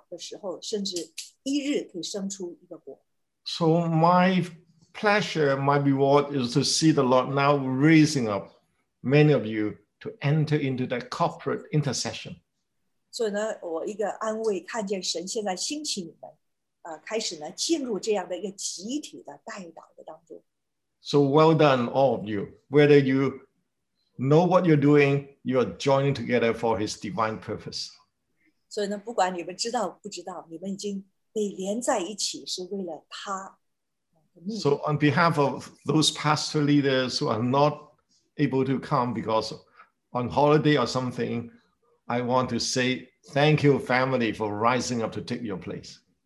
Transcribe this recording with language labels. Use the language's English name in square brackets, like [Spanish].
[Chinese] 所以当西安娶老的时候，甚至一日可以生出一个国。 [English] So my pleasure, my reward is to see the Lord now raising up many of you to enter into that corporate intercession. [Chinese] 所以呢，我一个安慰，看见神现在兴起你们，开始呢进入这样的一个集体的代祷的当中。 [English] So well done, all of you. Whether you know what you're doing, you are joining together for His divine purpose. [Chinese] 所以呢，不管你们知道不知道，你们已经被连在一起，是为了他。 [English] So on behalf of those pastor leaders who are not able to come because on holiday or something, I want to say thank you, family, for rising up to take your place.